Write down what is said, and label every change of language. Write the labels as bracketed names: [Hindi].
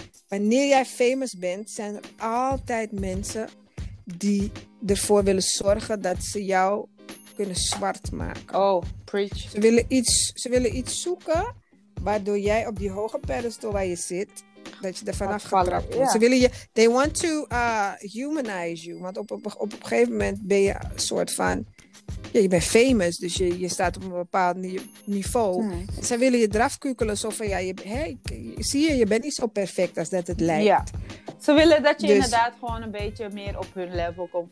[Dutch] Wanneer jij famous bent, zijn er altijd mensen die ervoor willen zorgen dat ze jou kunnen zwart maken. [English] Oh, preach. [Dutch] Ze willen iets zoeken waardoor jij op die hoge pedestal waar je zit, dat je er vanaf getrapt wordt. [English] Yeah. [Dutch] Ze willen je. [English] They want to humanize you. [Dutch] Want op een gegeven moment ben je een soort van. Ja, je bent famous, dus je staat op een bepaald niveau. Nee. Zij willen je eraf kukelen, zo van, ja, je bent niet zo perfect als dat het lijkt. Ja. Ze willen dat je dus, inderdaad gewoon een beetje meer op hun level komt.